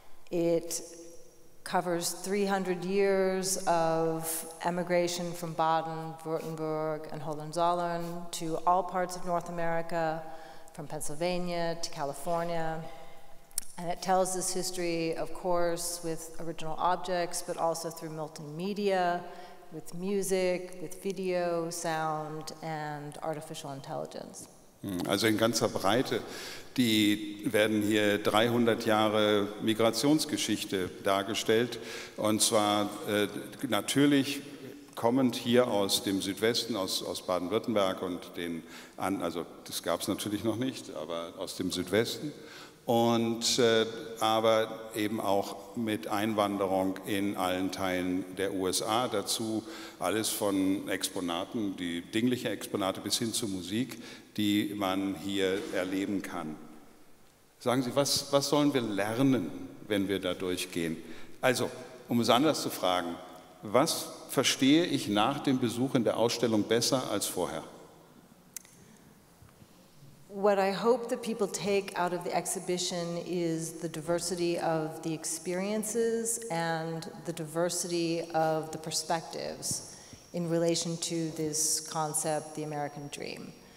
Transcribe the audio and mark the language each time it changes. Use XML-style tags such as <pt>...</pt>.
<en>It covers 300 years of emigration from Baden-Württemberg and Hohenzollern to all parts of North America, from Pennsylvania to California. And it tells this history, of course, with original objects, but also through multimedia, with music, with video, sound and artificial intelligence.</en> <de>Also in ganzer Breite, die werden hier 300 Jahre Migrationsgeschichte dargestellt. Und zwar natürlich kommend hier aus dem Südwesten, aus Baden-Württemberg und den Anden, also das gab es natürlich noch nicht, aber aus dem Südwesten. Und aber eben auch mit Einwanderung in allen Teilen der USA, dazu alles von Exponaten, die dingliche Exponate bis hin zu Musik, die man hier erleben kann. Sagen Sie, was sollen wir lernen, wenn wir da durchgehen? Also, um es anders zu fragen, was verstehe ich nach dem Besuch in der Ausstellung besser als vorher?</de> <en>What I hope that people take out of the exhibition is the diversity of the experiences and the diversity of the perspectives in relation to this concept, the American dream.</en>